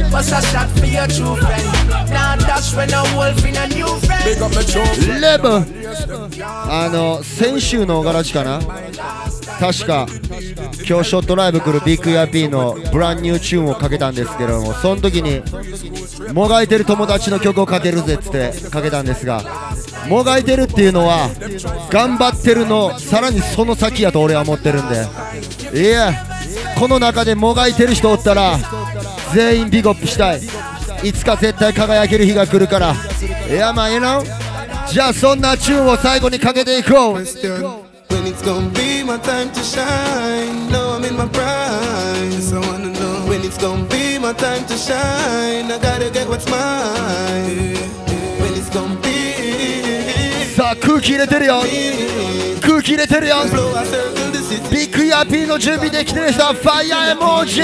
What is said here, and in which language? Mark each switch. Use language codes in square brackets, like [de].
[en] Wash a shot for your true friend Now that's when a wolf in a new friend Big up my true friend [ja] Lebe あの先週のガラチかな、確か今日ショットライブ来るビッグヤピーのブランニューチューンをかけたんですけども、その時にもがいてる友達の曲をかけるぜってかけたんですが、もがいてるっていうのは頑張ってるのさらにその先やと俺は思ってるんで、いやこの中でもがいてる人おったら全員ビッグアップしたい。いつか絶対輝ける日が来るから。いやまあ、ええの、じゃあそんなチューンを最後にかけていこう。 [en] When it's gonna be my time to shine, know I'm in my prime. Yes, I wanna know. When it's gonna be my time to shine, I gotta get what's mine. When it's gonna be. [ja] さあ空気入れてるよ。空気入れてるよ。Big VIP の準備できてる人、Fire Emoji.